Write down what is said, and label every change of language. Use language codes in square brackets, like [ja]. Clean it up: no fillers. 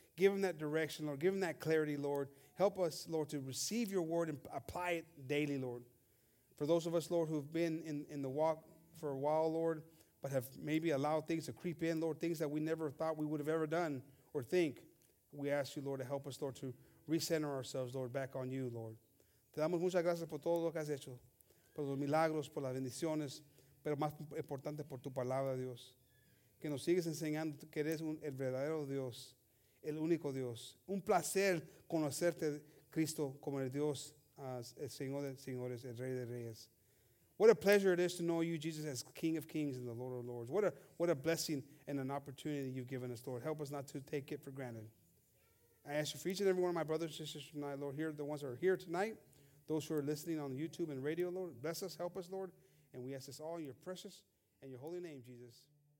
[en] Give them that direction, Lord. Give them that clarity, Lord. Help us, Lord, to receive your word and apply it daily, Lord. For those of us, Lord, who've been in the walk for a while, Lord, but have maybe allowed things to creep in, Lord, things that we never thought we would have ever done or think, we ask you, Lord, to help us, Lord, to recenter ourselves, Lord, back on you, Lord. [es] Te damos muchas gracias por todo lo que has hecho, por los milagros, por las bendiciones, pero más importante por tu palabra, Dios. Que nos sigues enseñando que eres el verdadero Dios, el único Dios. Un placer conocerte, Cristo, como el Dios, el Señor de señores, el Rey de reyes. [en] What a pleasure it is to know you, Jesus, as King of kings and the Lord of lords. What a blessing and an opportunity you've given us, Lord. Help us not to take it for granted. I ask you for each and every one of my brothers and sisters tonight, Lord, here, the ones that are here tonight, those who are listening on YouTube and radio, Lord, bless us, help us, Lord. And we ask this all in your precious and your holy name, Jesus.